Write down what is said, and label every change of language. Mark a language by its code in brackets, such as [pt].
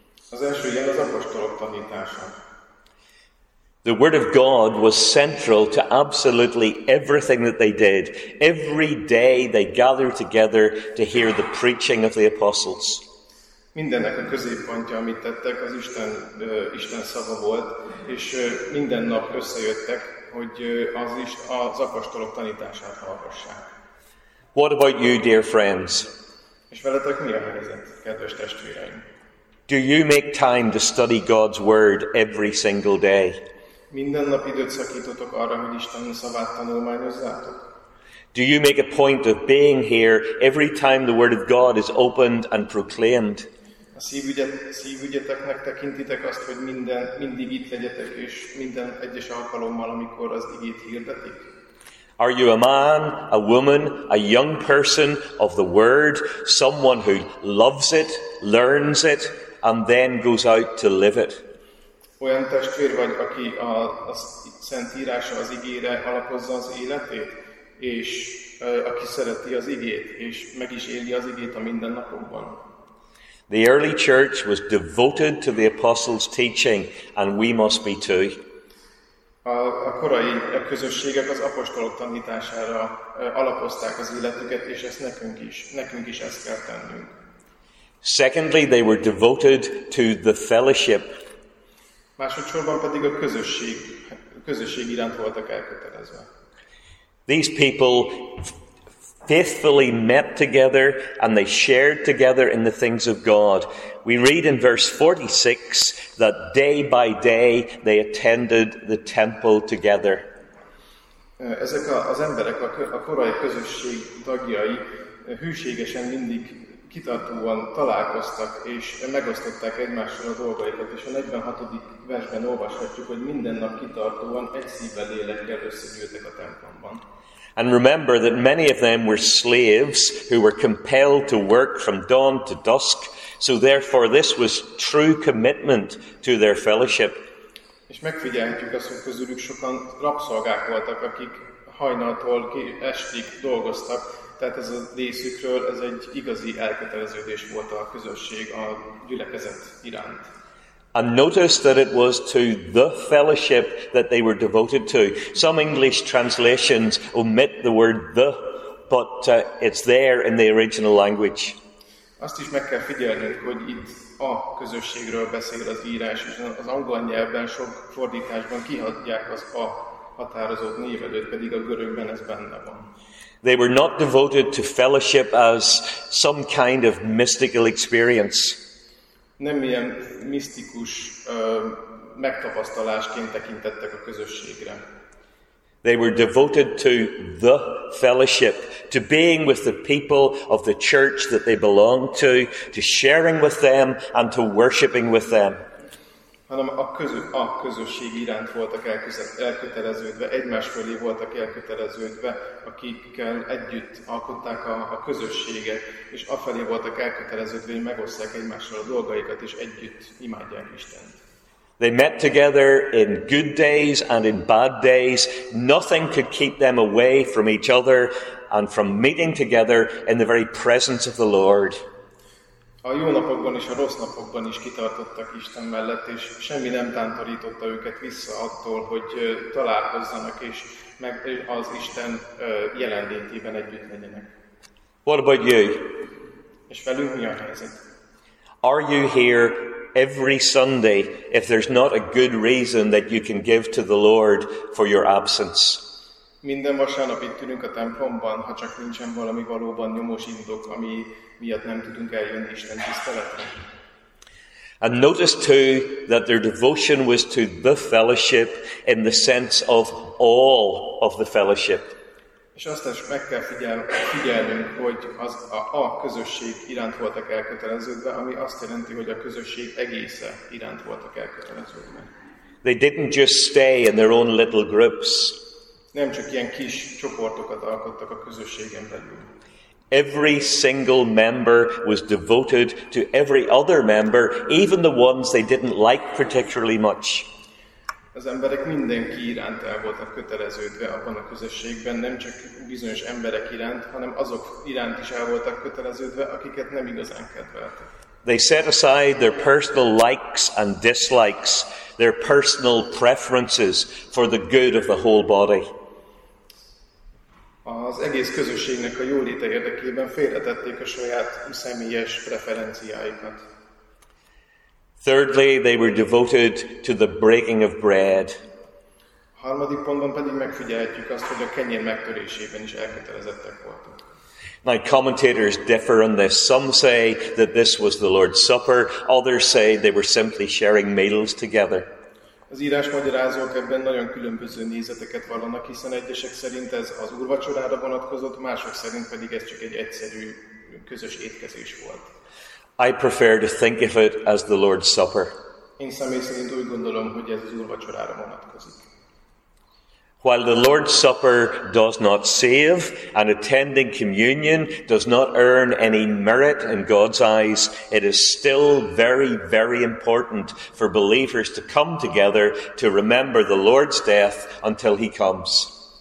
[hu] Az első ilyen az apostolok tanítása. [en] The word of God was central to absolutely everything that they did. Every day they gathered together to hear the preaching of the apostles. [hu] Mindennek a középpontja, amit tettek, az Isten szava volt, és minden nap összejöttek, hogy az apostolok tanítását hallgassák. [en] What about you, dear friends? [hu] És veletek mi a helyzet, kedves testvéreim? [en] Do you make time to study God's word every single day? [hu] Minden nap időt szakítotok arra, hogy Isten szavát tanulmányozzátok? [en] Do you make a point of being here every time the word of God is opened and proclaimed? [hu] A szívügyeteknek tekintitek azt, hogy mindig itt legyetek, és minden egyes alkalommal, amikor az igét hirdetik? [en] Are you a man, a woman, a young person of the word, someone who loves it, learns it, and then goes out to live it? [hu] Olyan testvér vagy, aki a Szentírása az igére alapozza az életét, és aki szereti az igét, és meg is éli az igét a mindennapokban. [en] The early church was devoted to the apostles' teaching, and we must be too. [hu] A korai közösségek az apostolok tanítására alapozták az életüket, és ezt nekünk is ezt kell tennünk. [en] Secondly, they were devoted to the fellowship. [hu] Másodszorban pedig a közösség iránt voltak elkötelezve. [en] These people faithfully met together and they shared together in the things of God. We read in verse 46 that day by day they attended the temple together. [hu] Ezek az emberek, a korai közösség tagjai hűségesen mindig kitartóan találkoztak és megosztották egymással a dolgaikat, és a 46. versben olvashatjuk, hogy minden nap kitartóan egy szívvel lélekkel összegyűltek a templomban. [en] And remember that many of them were slaves who were compelled to work from dawn to dusk, so therefore this was true commitment to their fellowship. [hu] És megfigyelhetjük azt, hogy közülük sokan rabszolgák voltak, akik hajnaltól estig dolgoztak, tehát ez a részükről ez egy igazi elköteleződés volt a közösség a gyülekezet iránt. [en] And notice that it was to the fellowship that they were devoted to. Some English translations omit the word the, but it's there in the original language. [hu] Azt is meg kell figyelnünk, hogy itt a közösségről beszél az írás, és az angol nyelvben sok fordításban kihagyják az a határozott névelőt, pedig a görögben ez benne van. [en] They were not devoted to fellowship as some kind of mystical experience. [hu] Nem ilyen misztikus megtapasztalásként tekintettek a közösségre. [en] They were devoted to the fellowship, to being with the people of the church that they belonged to sharing with them and to worshiping with them. [hu] Hanem a közösség iránt voltak elköteleződve, egymás fölé voltak elköteleződve, akikkel együtt alkották a közösséget, és afelé voltak elköteleződve, hogy megosztják egymással a dolgaikat, és együtt imádják Istent. [en] They met together in good days and in bad days. Nothing could keep them away from each other and from meeting together in the very presence of the Lord. [hu] A jó napokban és a rossz napokban is kitartottak Isten mellett, és semmi nem tántorította őket vissza attól, hogy találkozzanak, és meg az Isten jelenlétében együtt legyenek. [en] What about you? [hu] És velünk mi a helyzet? [en] Are you here every Sunday if there's not a good reason that you can give to the Lord for your absence? [hu] Minden vasárnap itt ülünk a templomban, ha csak nincsen valami valóban nyomós indok, ami miatt nem tudunk eljönni Isten tiszteletre. [en] And notice too that their devotion was to the fellowship in the sense of all of the fellowship. [hu] És azt is meg kell figyelnünk, hogy az a közösség iránt voltak elköteleződve, ami azt jelenti, hogy a közösség egésze iránt voltak elköteleződve. [en] They didn't just stay in their own little groups. [hu] Nem csak ilyen kis csoportokat alkottak a közösségen belül. [en] Every single member was devoted to every other member, even the ones they didn't like particularly much. [hu] Az emberek mindenki iránt el voltak köteleződve abban a közösségben, nem csak bizonyos emberek iránt, hanem azok iránt is el voltak köteleződve, akiket nem igazán kedveltek. [en] They set aside their personal likes and dislikes, their personal preferences for the good of the whole body. [hu] Az egész közösségnek a jóléte érdekében félretették a saját személyes preferenciáikat. [en] Thirdly, they were devoted to the breaking of bread. [hu] Harmadik pontban pedig megfigyelhetjük azt, hogy a kenyér megtörésében is elkötelezettek voltak. [en] Now, commentators differ on this. Some say that this was the Lord's Supper. Others say they were simply sharing meals together. [hu] Az írás magyarázók ebben nagyon különböző nézeteket vallanak, hiszen egyesek szerint ez az úrvacsorára vonatkozott, mások szerint pedig ez csak egy egyszerű közös étkezés volt. [en] I prefer to think of it as the Lord's Supper. [hu] Én személy szerint úgy gondolom, hogy ez az úrvacsorára vonatkozik. [en] While the Lord's Supper does not save, and attending communion does not earn any merit in God's eyes, it is still very, very important for believers to come together to remember the Lord's death until he comes.